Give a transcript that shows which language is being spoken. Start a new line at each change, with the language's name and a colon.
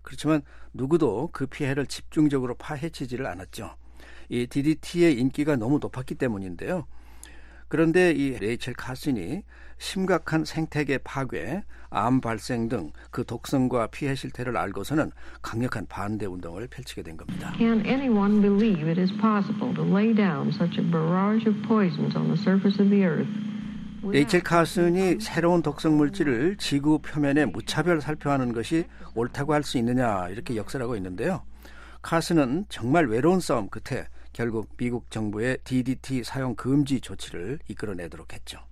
Korean: 그렇지만 누구도 그 피해를 집중적으로 파헤치지를 않았죠. 이 DDT의 인기가 너무 높았기 때문인데요. 그런데 이 레이첼 카슨이 심각한 생태계 파괴, 암 발생 등 그 독성과 피해 실태를 알고서는 강력한 반대 운동을 펼치게 된 겁니다.
English: Can anyone believe it is possible to lay down such a barrage of poisons on the surface of the earth?
Korean: 레이첼 카슨이 새로운 독성 물질을 지구 표면에 무차별 살포하는 것이 옳다고 할 수 있느냐 이렇게 역설하고 있는데요. 카슨은 정말 외로운 싸움 끝에 결국 미국 정부의 DDT 사용 금지 조치를 이끌어내도록 했죠.